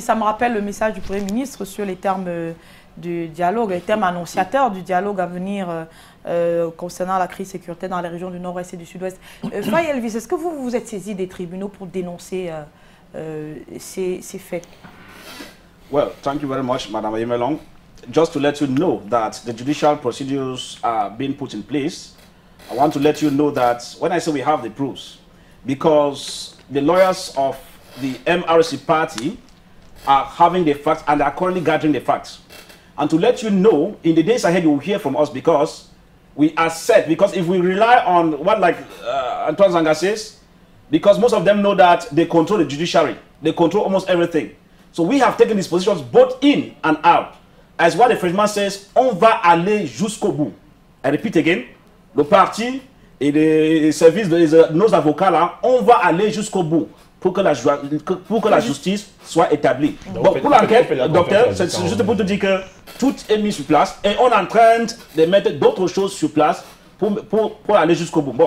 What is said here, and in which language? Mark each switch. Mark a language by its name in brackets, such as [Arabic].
[French] Ça me rappelle le message du Premier ministre sur les termes du dialogue, les termes annonciateurs du dialogue à venir concernant la crise sécuritaire dans les régions du Nord-Ouest et du Sud-Ouest. Faye Elvis, est-ce que vous vous êtes saisi des tribunaux pour dénoncer ces faits? [English] Well, thank you very much, Madame Yemelong. Just to let you know that the judicial procedures are being put in place, I want to let you know that when I say we have the proofs, because the lawyers of the MRC party are having the facts and are currently gathering the facts. And to let you know, in the days ahead, you will hear from us because we are set, because if we rely on what like Antoine Zanga says, because most of them know that they control the judiciary, they control almost everything. So we have taken these positions both in and out. As what the Frenchman says, [French] on va aller jusqu'au bout. [English] I repeat again, [French] le parti et le service, nos avocats là, on va aller jusqu'au bout pour que la justice soit établie. Donc pour l'enquête, docteur, c'est juste pour te dire que tout est mis sur place et on est en train de mettre d'autres choses sur place pour aller jusqu'au bout.